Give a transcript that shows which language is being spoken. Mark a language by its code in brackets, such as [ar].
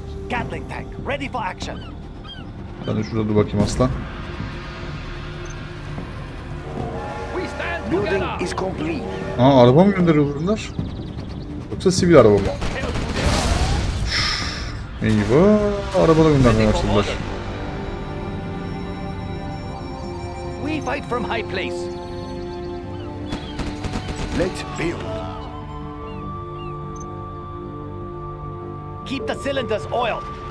[en] Gatling tank ready for action. [tr] Ben de şurada dur bakayım aslan. Aa, araba mı gönderiyorlar bunlar? Yoksa sivil araba mı? Eyvah, araba da göndermeye başladılar. [en] We fight from high place. Let's build. Keep the cylinders oiled.